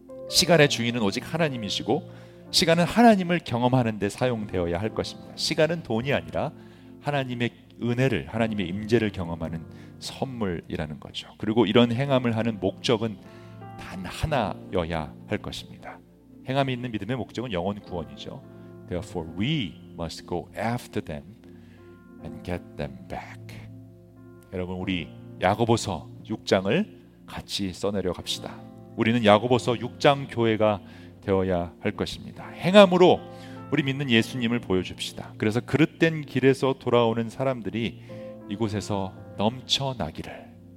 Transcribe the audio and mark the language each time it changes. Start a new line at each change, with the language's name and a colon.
Korean: 시간의 주인은 오직 하나님이시고 시간은 하나님을 경험하는 데 사용되어야 할 것입니다. 시간은 돈이 아니라 하나님의 은혜를, 하나님의 임재를 경험하는 선물이라는 거죠. 그리고 이런 행함을 하는 목적은 단 하나여야 할 것입니다. 행함이 있는 믿음의 목적은 영혼 구원이죠.
English: Therefore, we must go after them and get them back.
Korean: 여러분, 우리 야고보서 6장을 같이 써내려 갑시다. 우리는 야고보서 6장 교회가 되어야 할 것입니다. 행함으로 우리 믿는 예수님을 보여줍시다. 그래서 그릇된 길에서 돌아오는 사람들이 이곳에서 넘쳐나기를.